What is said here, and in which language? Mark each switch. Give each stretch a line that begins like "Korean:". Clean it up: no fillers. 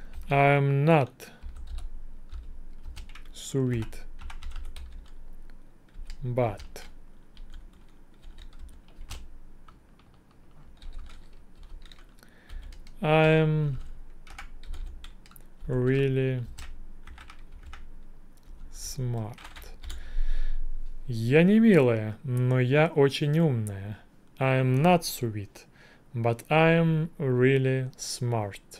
English: I am not sweet, but I am really smart.
Russian: Я не милая, но я очень умная.
English: I am not sweet, but I am really smart.